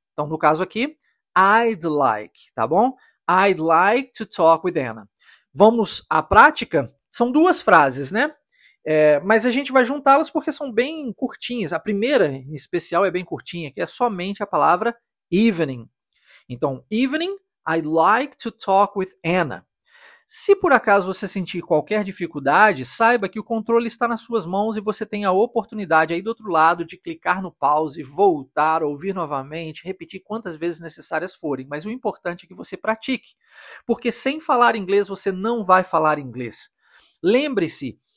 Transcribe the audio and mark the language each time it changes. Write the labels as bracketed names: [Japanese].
[Portuguese] Então, no caso aqui, [English] I'd like, [Portuguese] tá bom? [English] I'd like to talk with Anna. [Portuguese] Vamos à prática? São duas frases, né? Mas a gente vai juntá-las porque são bem curtinhas. A primeira, em especial, é bem curtinha, que é somente a palavra evening. Então, [English] evening, I'd like to talk with Anna. [Portuguese] Se por acaso você sentir qualquer dificuldade, saiba que o controle está nas suas mãos e você tem a oportunidade aí do outro lado de clicar no pause, voltar, ouvir novamente, repetir quantas vezes necessárias forem. Mas o importante é que você pratique, porque sem falar inglês você não vai falar inglês. Lembre-se